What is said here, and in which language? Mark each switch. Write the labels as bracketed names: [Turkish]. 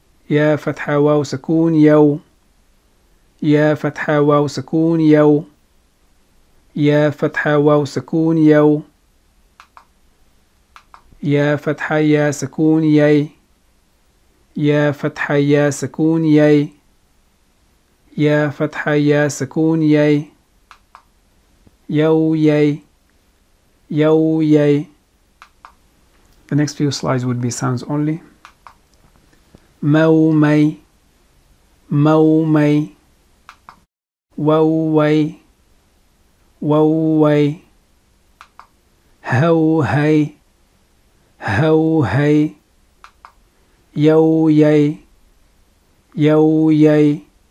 [Arabic] يا فتحة واو سكون يو يا فتحة واو سكون يو يا فتحة واو سكون يو يا فتحة يا سكون يي يا فتحة يا سكون ياي يا فتحة يا سكون ياي يو ياي يو ياي. [English] The next few slides would be sounds only. [Arabic] مو مي مو مي وو وي وو وي هو هي هو هي يو ياي يو ياي.